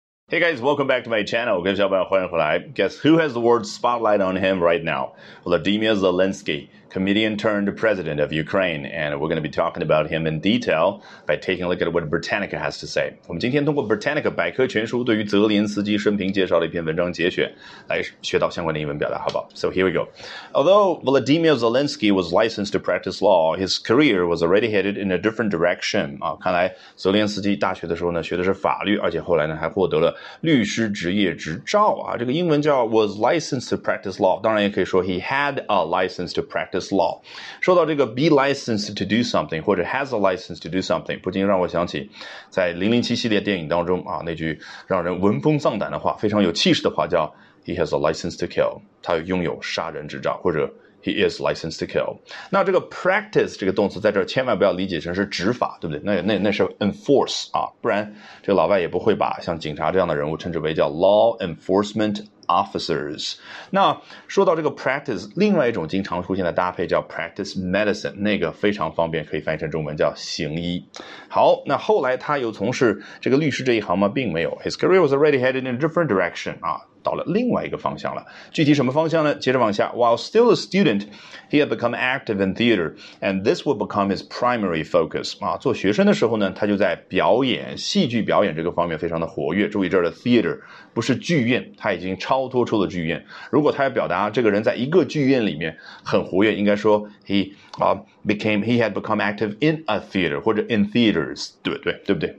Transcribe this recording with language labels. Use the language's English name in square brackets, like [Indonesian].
[English] Hey guys, welcome back to my channel. [Chinese] 各位小伙伴欢迎回来. [English] Guess who has the world spotlight on him right now? Volodymyr Zelensky, comedian turned president of Ukraine. And we're going to be talking about him in detail by taking a look at what Britannica has to say. [Chinese] 我们今天通过 Britannica 百科全书对于泽连斯基生平介绍的一篇文章节选来学到相关的英文表达，好不好？ [English] So here we go. Although Volodymyr Zelensky was licensed to practice law, his career was already headed in a different direction. [Chinese] 看来泽连斯基大学的时候呢学的是法律，而且后来呢还获得律师职业执照啊，这个英文叫 [English] was licensed to practice law， [Chinese] 当然也可以说 [English] he had a license to practice law。 [Chinese] 说到这个 [English] be licensed to do something [Chinese] 或者 [English] has a license to do something， [Chinese] 不禁让我想起在007系列电影当中啊，那句让人闻风丧胆的话，非常有气势的话，叫 [English] he has a license to kill， [Chinese] 他拥有杀人执照，或者 [English] He is licensed to kill. [Chinese] 那这个 practice 这个动词在这儿千万不要理解成是执法，对不对？那是 enforce 啊，不然这个老外也不会把像警察这样的人物称之为叫 [English] law enforcement officers. [Chinese] 那说到这个 practice， 另外一种经常出现的搭配叫 [English] practice medicine， [Chinese] 那个非常方便，可以翻译成中文叫行医。好，那后来他有从事这个律师这一行吗？并没有。 [English] His career was already headed in a different direction. [Chinese] 啊。到了另外一个方向了，具体什么方向呢？接着往下 [English] ，While still a student, he had become active in theater, and this would become his primary focus. [Chinese] 啊，做学生的时候呢，他就在表演、戏剧表演这个方面非常的活跃。注意这儿的 theater 不是剧院，他已经超脱出了剧院。如果他要表达这个人在一个剧院里面很活跃，应该说 [English] he had become active in a theater [Chinese] 或者 [English] in theaters， [Chinese] 对不对？